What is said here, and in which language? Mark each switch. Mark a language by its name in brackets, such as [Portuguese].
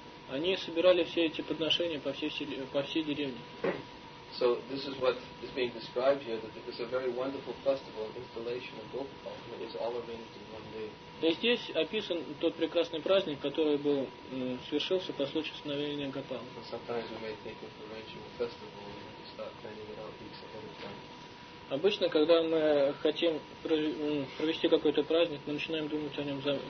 [Russian] Они собирали все эти подношения по всей деревне. [English] So this is what is being described here, that it was a very wonderful festival, installation of Gopal, and it was all arranged in one day. [Russian] И здесь описан тот прекрасный праздник, который был свершился по случаю становления Гопалы. [English] Sometimes we may think of arranging a festival and start planning it out weeks ahead of time. [Russian] Обычно, когда мы хотим провести какой-то праздник, мы начинаем думать о нем